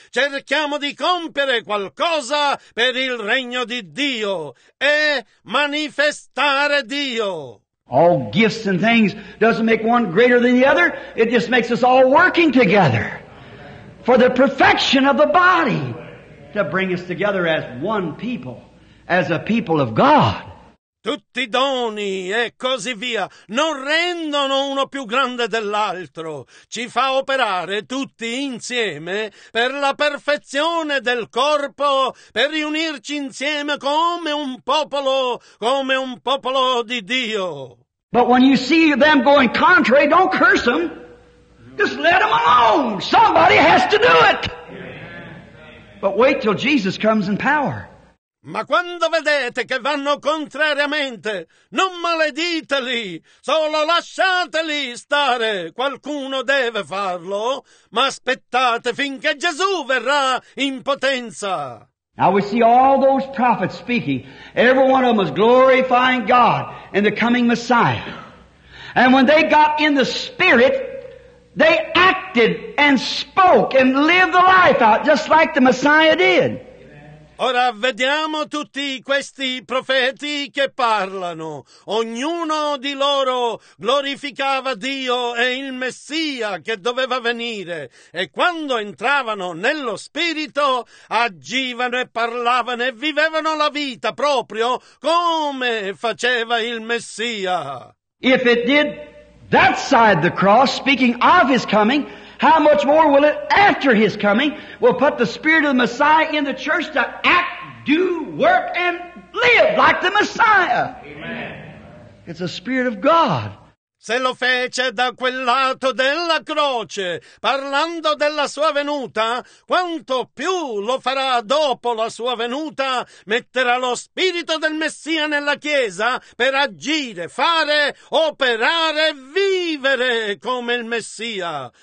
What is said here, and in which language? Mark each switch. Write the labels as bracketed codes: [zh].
[it] Cerchiamo di compiere qualcosa per il regno di Dio e manifestare Dio. [en] All gifts and things doesn't make one greater than the other. It just makes us all working together for the perfection of the body to bring us together as one people, as a people of God. [it] Tutti i doni e così via non rendono uno più grande dell'altro. Ci fa operare tutti insieme per la perfezione del corpo, per riunirci insieme come un popolo di Dio. [en] But when you see them going contrary, don't curse them. Just let them alone. Somebody has to do it. But wait till Jesus comes in power. [it] Ma quando vedete che vanno contrariamente, non malediteli, solo lasciateli stare. Qualcuno deve farlo, ma aspettate finché Gesù verrà in potenza. [en] Now we see all those prophets speaking. Every one of them was glorifying God and the coming Messiah. And when they got in the Spirit, they acted and spoke and lived the life out just like the Messiah did. [it] Ora vediamo tutti questi profeti che parlano. Ognuno di loro glorificava Dio e il Messia che doveva venire. E quando entravano nello Spirito, agivano e parlavano e vivevano la vita proprio come faceva il Messia. [en] If it did that side the cross, speaking of his coming, how much more will it, after his coming, will put the Spirit of the Messiah in the church to act, do, work, and live like the Messiah? Amen. It's the Spirit of God. [it] Se lo fece da quel lato della croce, parlando della sua venuta, quanto più lo farà dopo la sua venuta, metterà lo Spirito del Messia nella Chiesa per agire, fare, operare, vivere come il Messia.